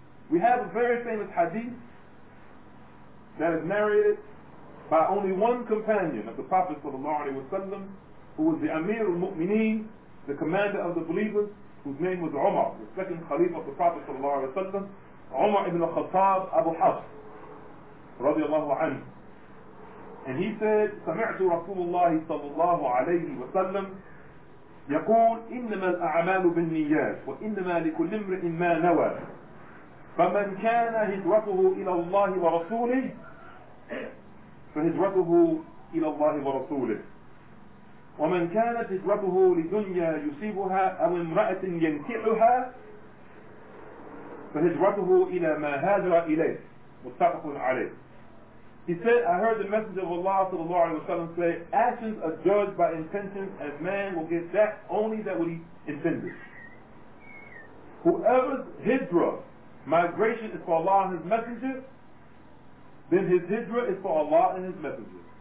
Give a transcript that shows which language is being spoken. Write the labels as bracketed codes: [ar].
[en] We have a very famous hadith that is narrated by only one companion of the Prophet sallallahu alaihi wasallam, who was the Amir al-Mu'mineen, the commander of the believers, whose name was Umar, the second Khalifa of the Prophet sallallahu alaihi wasallam, Umar ibn al-Khattab Abu Hafs radiallahu anhu. And he said, [ar] سمعت رسول الله صلى الله عليه وسلم يقول إنما الأعمال بالنيات وإنما لكل امرئ ما نوى فمن كان هجرته إلى الله ورسوله فهجرته إلى الله ورسوله ومن كانت هجرته لدنيا يصيبها أو امرأة ينكحها فهجرته إلى ما هاجر إليه متفق عليه. [en] He said, I heard the Messenger of Allah sallallahu alayhi wa sallam say, actions are judged by intentions, as man will get that only that what he intended. Whoever's hijrah, migration, is for Allah and His Messenger, then his hijrah is for Allah and His Messenger.